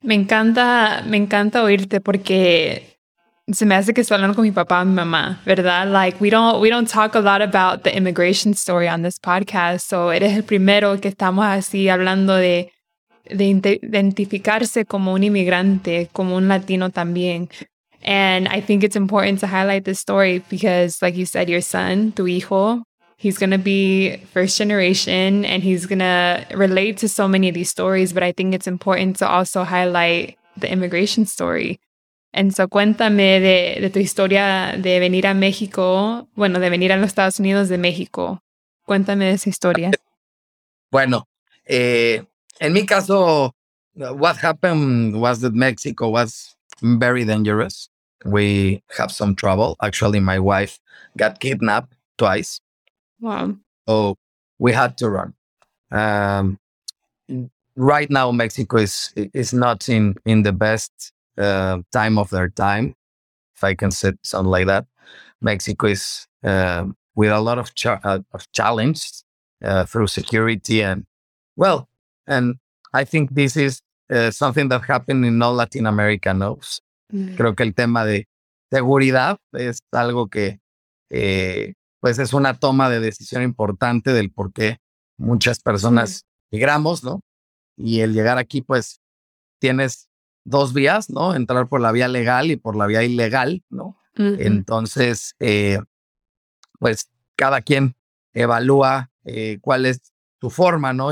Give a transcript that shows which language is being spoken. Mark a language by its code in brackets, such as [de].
[es] Me encanta oírte porque se me hace que estoy hablando con mi papá y mi mamá, ¿verdad? [en] Like, we don't talk a lot about the immigration story on this podcast, [es] so eres el primero que estamos así hablando de identificarse como un inmigrante, como un latino también. [en] And I think it's important to highlight this story because, like you said, your son, [es] tu hijo, [en] he's going to be first generation and he's going to relate to so many of these stories, but I think it's important to also highlight the immigration story. [es] And so cuéntame de tu historia de venir a México, bueno, de venir a los Estados Unidos de México. Cuéntame de esa historia. Bueno, en mi caso, [en] what happened was that Mexico was very dangerous. We have some trouble. Actually, my wife got kidnapped twice. Wow. Oh, we had to run. Right now, Mexico is not in the best time of their time, if I can say something like that. Mexico is with a lot of challenge through security. And, well, and I think this is something that happened in all Latin America, no? [es] Creo que el tema de seguridad es algo que, pues, es una toma de decisión importante del por qué muchas personas migramos, ¿no? Y el llegar aquí, pues, tienes dos vías, ¿no? Entrar por la vía legal y por la vía ilegal, ¿no? Entonces, pues, cada quien evalúa cuál es tu forma, ¿no?